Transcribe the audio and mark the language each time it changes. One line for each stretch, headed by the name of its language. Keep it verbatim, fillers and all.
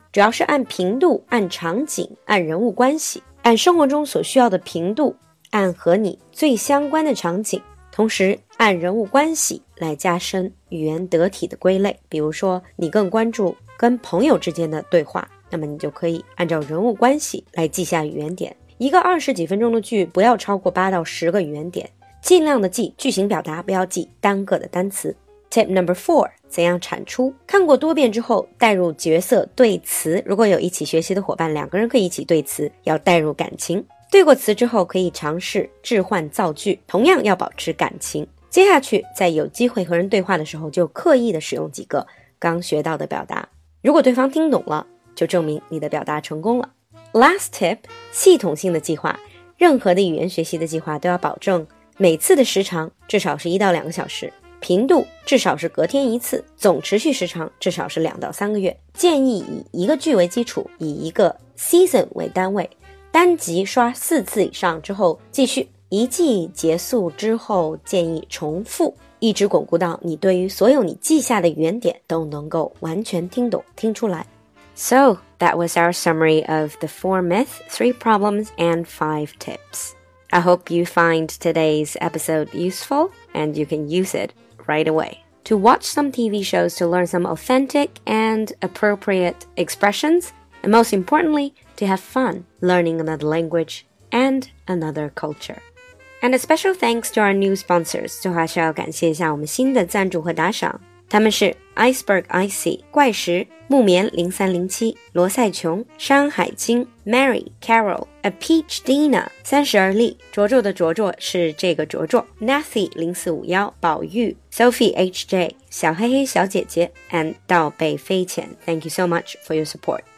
Chinese: 主要是按频度、按场景、按人物关系，按生活中所需要的频度，按和你最相关的场景，同时按人物关系来加深语言得体的归类。比如说你更关注跟朋友之间的对话，那么你就可以按照人物关系来记下语言点。一个二十几分钟的剧不要超过八到十个语言点，尽量的记句型表达，不要记单个的单词。
English: Tip number four,
Chinese: 怎样产出？看过多遍之后，带入角色对词。如果有一起学习的伙伴，两个人可以一起对词，要带入感情。对过词之后，可以尝试置换造句，同样要保持感情。接下去，在有机会和人对话的时候，就刻意的使用几个刚学到的表达。如果对方听懂了，就证明你的表达成功了。
English: Last tip,
Chinese: 系统性的计划。任何的语言学习的计划都要保证每次的时长至少是一到两个小时，频度至少是隔天一次，总持续时长至少是两到三个月。建议以一个剧为基础，以一个 season 为单位，单集刷四次以上之后继续，一季结束之后建议重复，一直巩固到你对于所有你记下的语言点都能够完全听懂听出来。
English: So, that was our summary of the four myths, three problems, and five tips. I hope you find today's episode useful and you can use it right away. To watch some T V shows to learn some authentic and appropriate expressions, and most importantly, to have fun learning another language and another culture. And a special thanks to our new sponsors.
Chinese: 最后还是要感谢一下我们新的赞助和打赏。他们是 Iceberg I C, 怪石、木棉零三零七、罗赛琼、山海经、Mary, Carol, A Peach Dina, 三十而立、卓卓的卓卓是这个卓卓、Nathy 零四五幺、宝玉、Sophie H J, 小黑黑小姐姐 and 到北飞前
English: Thank you so much for your support.